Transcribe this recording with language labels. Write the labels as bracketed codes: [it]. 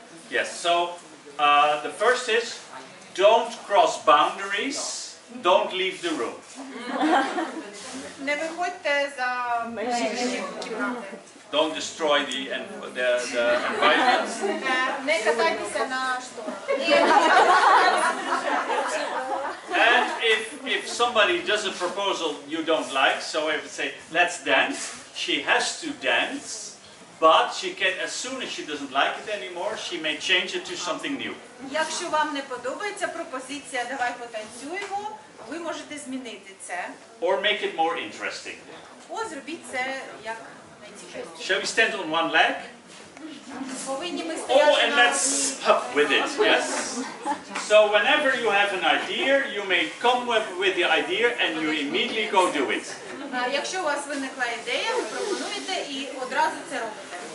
[en] Yes, so the first is don't cross boundaries, don't leave the room. [uk] Не виходьте за межі кімнати. [en] Don't destroy the environment. [uk] Не катайтеся на штурм. [en] And if somebody does a proposal you don't like, so if say let's dance, she has to dance, but she can as soon as she doesn't like it anymore, she may change it to something new. [uk] Якщо вам не подобається пропозиція, давай потанцюємо, ви можете змінити це. [en] Or make it more interesting. [uk] О, зробіть це як. [en] Shall we stand on one leg? Oh, and let's up with it, yes? So whenever you have an idea, you may come up with the idea and you immediately go do it. [uk] Якщо у вас виникла ідея, ви пропонуєте і одразу це робите.